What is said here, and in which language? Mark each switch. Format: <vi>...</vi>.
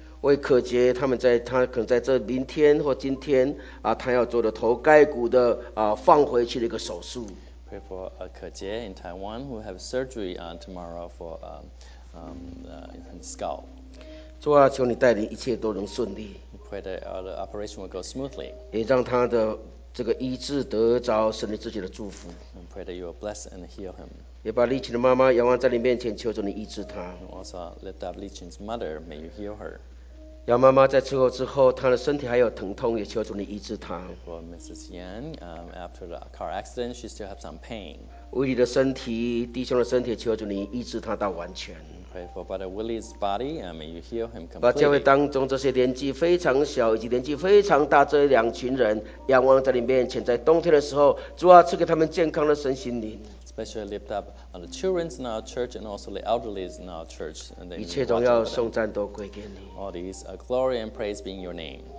<zh>为可杰，他们在他可能在这明天或今天啊，他要做的头盖骨的放回去的一个手术。</zh> <en>Pray for Ke Jie in Taiwan who have surgery tomorrow for his skull.</en> <zh>主啊，求你带领一切都能顺利。</zh> <en>Pray that the operation will go smoothly.</en> <zh>也让他的这个医治得着神你自己的祝福。</zh> <en>And pray that you will bless and heal him.</en> <zh>也把丽琴的妈妈仰望在你面前，求主你医治她。</zh> <en>Also lift up Li Qin's mother, may you heal her.</en> <zh>杨妈妈在车祸之后，她的身体还有疼痛，也求主你医治她。</zh> <en>For Mrs. Yan, after the car accident, she still has some pain.</en> <zh>威利的身体，弟兄的身体，求主你医治他到完全。</zh> <en>Pray for Brother Willie's body, and may you heal him completely.</en> <zh>把教会当中这些年纪非常小以及年纪非常大这两群人仰望在你面前，在冬天的时候，主啊，赐给他们健康的身心灵。</zh> <en>Especially lift up on the children in our church and also the elderly in our church. And they</en> <zh>一切荣耀颂赞都归给你。</zh> <en>All these are glory and praise being your name.</en>